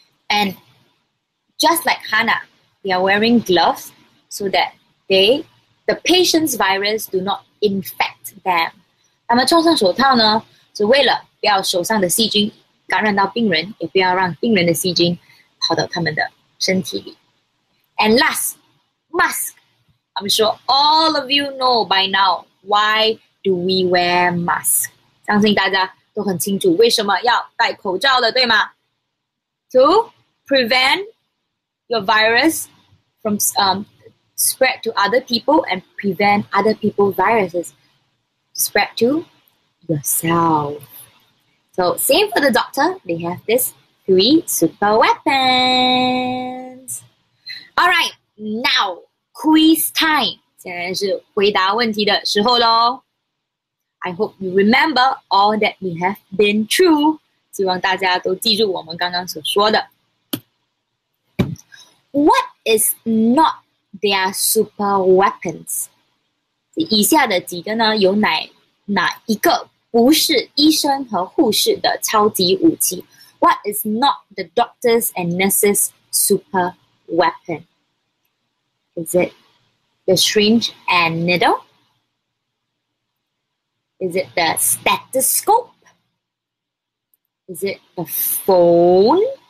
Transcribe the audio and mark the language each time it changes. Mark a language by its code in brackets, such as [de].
[en] And just like Hannah, they are wearing gloves so that the patient's virus do not infect them. [zh] 他们穿上手套呢，是为了不要手上的细菌。感染到病人, 也不要让病人的细菌跑到他们的身体里. [en] And last, mask. I'm sure all of you know by now, why do we wear mask? [zh] 相信大家都很清楚为什么要戴口罩的，对吗? [en] To prevent your virus from spread to other people and prevent other people's viruses spread to yourself. So, same for the doctor, they have this three super weapons. All right, now, quiz time. [zh] 现在是回答问题的时候喽. [en] I hope you remember all that we have been through. [zh] 希望大家都记住我们刚刚所说的. [en] What is not their super weapons? [zh] 以下的几个呢,有哪一个?不是医生和护士的超级武器. [en] What is not the doctor's and nurse's super weapon? Is it the syringe and needle? Is it the stethoscope? Is it the phone?